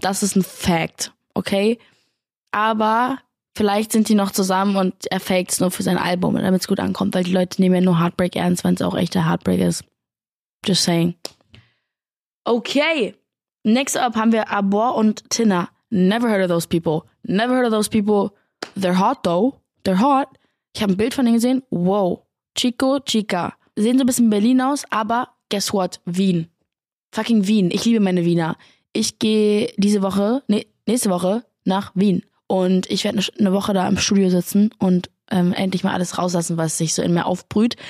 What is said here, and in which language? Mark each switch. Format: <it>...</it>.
<de>Das ist ein Fact, okay? Aber vielleicht sind die noch zusammen und er faked es nur für sein Album, damit es gut ankommt, weil die Leute nehmen ja nur Heartbreak ernst, wenn es auch echter Heartbreak ist.</de> <en>Just saying.</en> <de>Okay, next up haben wir Abor und Tina.</de> <en>Never heard of those people. Never heard of those people. They're hot though. They're hot.</en> <de>Ich habe ein Bild von denen gesehen. Wow. Chico, Chica. Sehen so ein bisschen Berlin aus, aber</de> <en>guess what?</en> <de>Wien. Fucking Wien. Ich liebe meine Wiener. Ich gehe nächste Woche nach Wien. Und ich werde eine Woche da im Studio sitzen und endlich mal alles rauslassen, was sich so in mir aufbrüht.</de>